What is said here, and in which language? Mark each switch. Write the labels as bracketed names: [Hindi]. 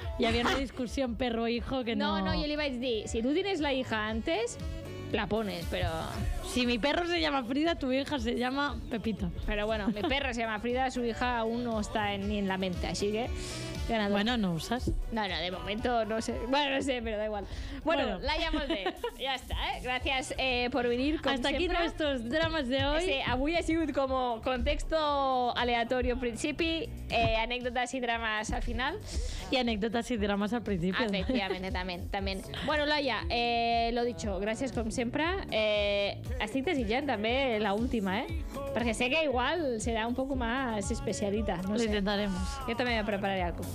[Catalan] Hi havia una discussió amb perro-hijo que no... [Spanish] No, no, [Catalan] jo li vaig dir, [Spanish] si tu tienes la hija antes, la pones, però... Si mi perro se llama Frida, tu hija se llama Pepita. Però bueno, mi perro se llama Frida, su hija aún no está ni en la mente, [Catalan] així que... [Spanish] Ganador. Bueno, no usas. No, no, de momento no sé. Bueno, no sé, pero da igual. Bueno. La llamo de... Ya está, ¿eh? Gracias por venir, como hasta siempre. Aquí nuestros dramas de hoy. Sí, [Catalan] avui ha sigut [Spanish] como contexto aleatorio [Catalan] al principi, [Spanish] anécdotas y dramas al final. Y anécdotas y dramas al principio. Efectivamente, también. Bueno, Laia, lo dicho, gracias como siempre. [Catalan] Estic desitjant també la última, ¿eh? Perquè sé que igual serà un poc més especialita. No sé. L'intentarem. Jo també me prepararé alguna cosa.